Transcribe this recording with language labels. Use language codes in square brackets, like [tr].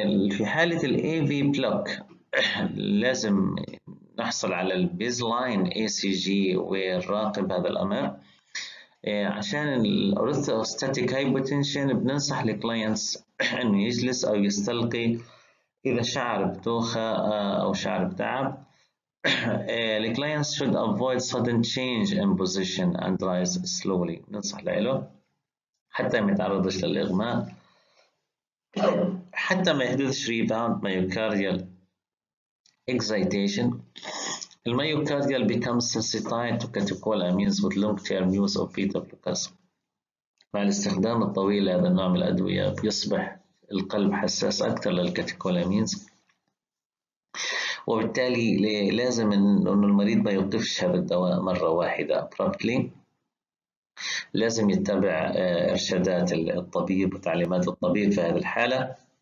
[ar] في حالة الـ AV بلوك لازم نحصل على الـ baseline ACG ونراقب هذا الامر. عشان الأوريثروستاتيك هايبوتنشن بننصح الـ clients انه يجلس او يستلقي اذا شعر بدوخة او شعر بتعب. [en] The clients should avoid sudden change in position and rise slowly. [ar] ننصح له حتى ما يتعرضش للإغماء، حتى ما يحدثش [en] rebound myocardial excitation. Myocardial becomes sensitized to catecholamines with long-term use of beta blockers. [ar] مع الاستخدام الطويل لهذا النوع من الأدوية يصبح القلب حساس أكثر للكاتيكولامينز، وبالتالي لازم أن المريض ما يوقفش هذا الدواء مرة واحدة abruptly، لازم يتبع إرشادات الطبيب وتعليمات الطبيب في هذه الحالة.